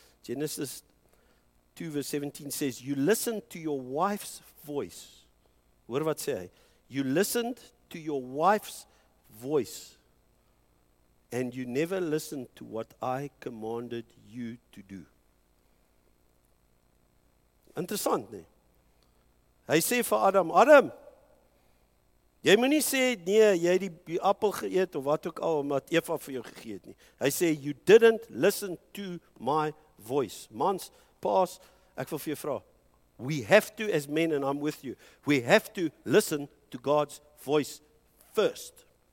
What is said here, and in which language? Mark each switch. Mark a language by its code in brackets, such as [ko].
[en] Genesis 2 verse 17 says, you listened to your wife's voice. [af] Hoor wat sê hy? [en] You listened to your wife's voice. And you never listened to what I commanded you to do. [af] Interessant, nee? Hy sê vir Adam, Adam, jy moet nie sê, nee, jy het die appel geëet, of wat ook al, omdat Eva vir jou gegeet nie. Hy sê, [en] you didn't listen to my voice. [af] Mans, paas, ek wil vir jou vraag, [en] we have to, as men, and I'm with you, we have to listen to God's voice first.